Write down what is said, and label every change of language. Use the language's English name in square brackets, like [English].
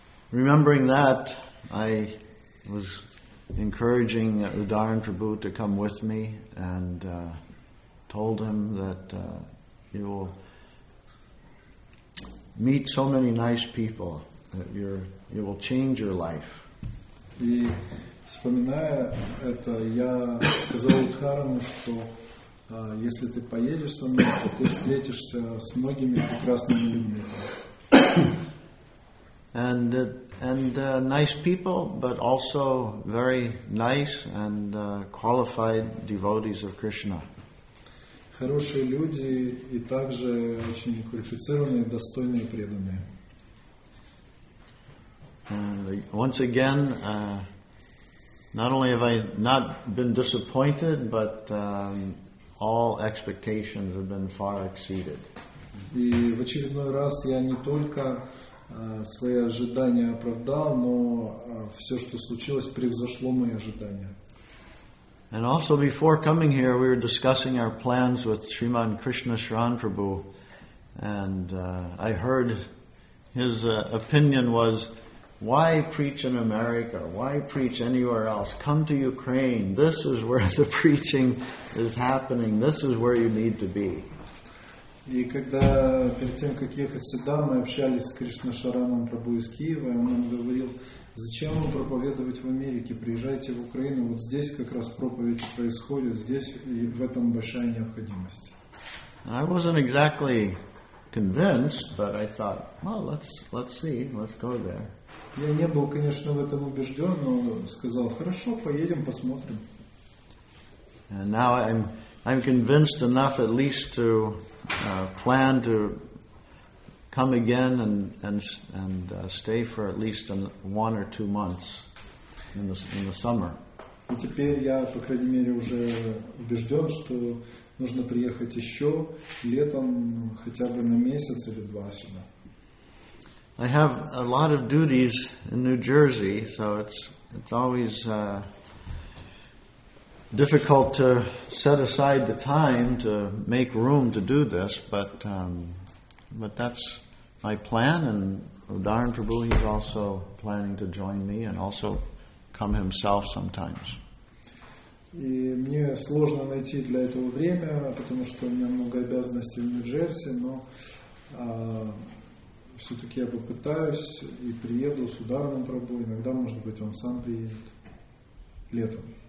[English] Remembering that, I was encouraging Udayan Prabhu to come with me and told him that he will meet so many nice people that you will change your life. [Russian] И вспоминая это, я сказал Удхарану, что если ты поедешь со мной, то ты встретишься с многими прекрасными людьми. [English] And nice people, but also very nice and qualified devotees of Krishna. [Russian] Хорошие люди и также очень квалифицированные, достойные преданные. [English] Once again, not only have I not been disappointed, but all expectations have been far exceeded. [Russian] И в очередной раз я не только свои ожидания оправдал, но все, что случилось, превзошло мои ожидания. [English] And also before coming here, we were discussing our plans with Sriman Krishna Sharan Prabhu, and I heard his opinion was, why preach in America? Why preach anywhere else? Come to Ukraine. This is where the preaching is happening. This is where you need to be. [Russian] И когда перед тем, как ехать сюда, мы общались с Кришна Шараном Прабху из Киева, и он нам говорил, зачем вам проповедовать в Америке, приезжайте в Украину, вот здесь как раз проповедь происходит, здесь и в этом большая необходимость. [English] I wasn't exactly convinced, but I thought, well, let's see, let's go there. [Russian] Я не был, конечно, в этом убежден, но сказал, хорошо, поедем, посмотрим. [English] And now I'm convinced enough at least to plan to come again and stay for at least one or two months in the summer. [Russian] И теперь я, по крайней мере, уже убежден, что нужно приехать еще летом хотя бы на месяц или два сюда. [English] I have a lot of duties in New Jersey, so it's always difficult to set aside the time to make room to do this, but that's my plan, and Udayan Prabhu is also planning to join me and also come himself sometimes. [Russian] И мне сложно найти для этого время, потому что у меня много обязанностей в Нью-Джерси, но все-таки я попытаюсь и приеду с Удайаном Прабху. Иногда, может быть, он сам приедет летом.